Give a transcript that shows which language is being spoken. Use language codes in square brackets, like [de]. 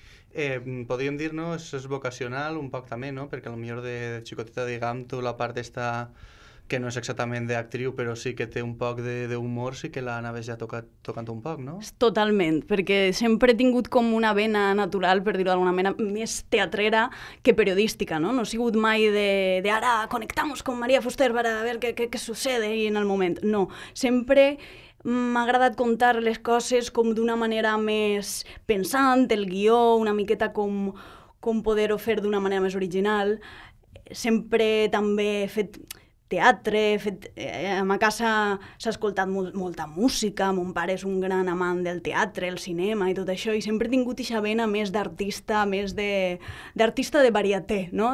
[ca] Podríem dir, no?, això és vocacional un poc també, no?, perquè potser de xicoteta, diguem, tu la part d'esta, que no és exactament d'actriu, però sí que té un poc d'humor, sí que l'anaves ja tocant un poc, no? Totalment, perquè sempre he tingut com una vena natural, per dir-ho d'alguna manera, més teatrera que periodística, no? No he sigut mai de ara [es] connectamos con Maria Fuster para ver qué sucede ahí en el moment. [ca] No, sempre m'ha agradat contar les coses com d'una manera més pensant, el guió, una miqueta com poder-ho fer d'una manera més original. Sempre també he fet teatre, a ma casa s'ha escoltat molta música, mon pare és un gran amant del teatre, el cinema i tot això, i sempre he tingut eixa vena més d'artista, més d'artista de varieté, no?